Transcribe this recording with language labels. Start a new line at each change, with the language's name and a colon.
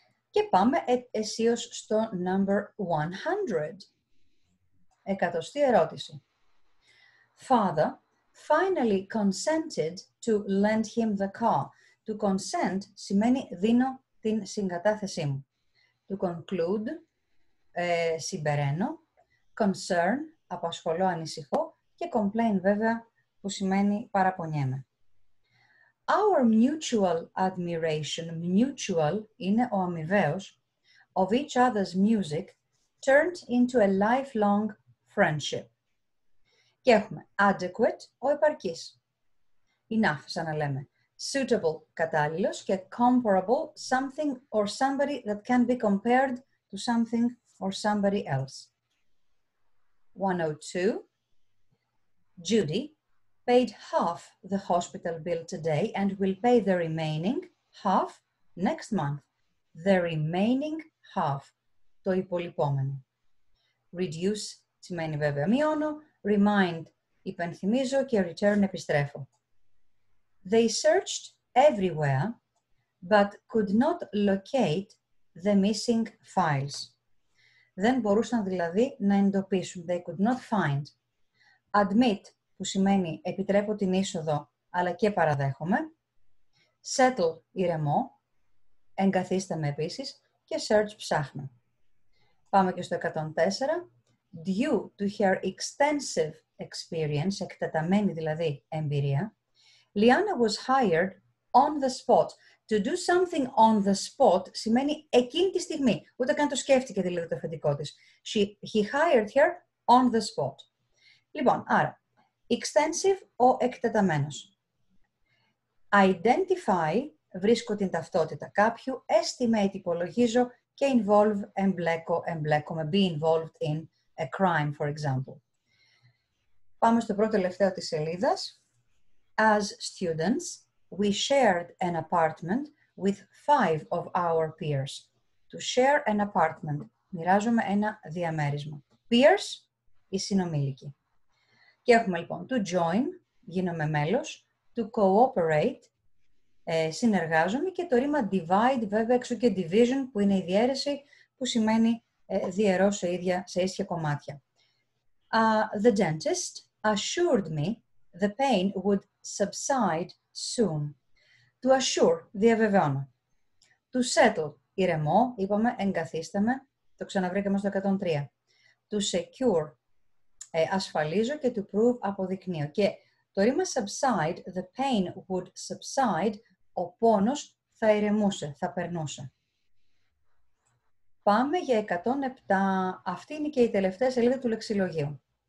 Greek: Και πάμε εσείως στο
English: number 100.
Greek: Εκατοστή ερώτηση.
English: Father finally consented to lend him the car. To consent
Greek: σημαίνει δίνω την συγκατάθεσή μου.
English: To conclude, συμπεραίνω.
Greek: Concern, απασχολώ, ανησυχώ. Και complain, βέβαια, που σημαίνει παραπονιέμαι.
English: Our mutual admiration, mutual
Greek: είναι ο αμοιβαίος,
English: of each other's music turned into a lifelong friendship.
Greek: Και έχουμε adequate, ο επαρκής. Enough, σαν να λέμε.
English: Suitable, κατάλληλος, και comparable, something or somebody that can be compared to something or somebody else. 102. Judy paid half the hospital bill today and will pay the remaining half next month. The remaining half, το υπολοιπόμενο.
Greek: Reduce, σημαίνει βέβαια μειώνω. Remind, υπενθυμίζω, και return, επιστρέφω.
English: They searched everywhere, but could not locate the missing files.
Greek: Δεν μπορούσαν δηλαδή να εντοπίσουν.
English: They could not find.
Greek: Admit, που σημαίνει επιτρέπω την είσοδο, αλλά και παραδέχομαι. Settle, ηρεμώ. Εγκαθίστε με επίσης. Και search, ψάχνω. Πάμε και στο 104.
English: Due to her extensive experience,
Greek: εκτεταμένη δηλαδή εμπειρία,
English: Liana was hired on the spot. To do something on the spot
Greek: σημαίνει εκείνη τη στιγμή. Ούτε καν το σκέφτηκε δηλαδή το αφεντικό της.
English: He hired her on the spot.
Greek: Λοιπόν, άρα, extensive, ο εκτεταμένος. Identify, βρίσκω την ταυτότητα κάποιου. Estimate, υπολογίζω. Και involve, εμπλέκομαι.
English: Be involved in a crime, for example.
Greek: Πάμε στο πρώτο τελευταίο της σελίδας.
English: As students, we shared an apartment with five of our peers. To share an apartment,
Greek: μοιράζομαι ένα διαμέρισμα. Peers, οι συνομήλικοι. Και έχουμε λοιπόν to join, γίνομαι μέλος, to cooperate, συνεργάζομαι, και το ρήμα divide, βέβαια έξω και division, που είναι η διαίρεση, που σημαίνει διαιρώ σε ίσια κομμάτια.
English: The dentist assured me the pain would subside soon. To assure, διαβεβαιώνω.
Greek: To settle, ηρεμώ, είπαμε, εγκαθίσταμε, το ξαναβρήκαμε στο 103.
English: To secure, ασφαλίζω, και to prove, αποδεικνύω.
Greek: Και το ρήμα subside,
English: the pain would subside,
Greek: ο πόνος θα ηρεμούσε, θα περνούσε. Πάμε για 107. Αυτή είναι και η τελευταία σελίδα του λεξιλογίου.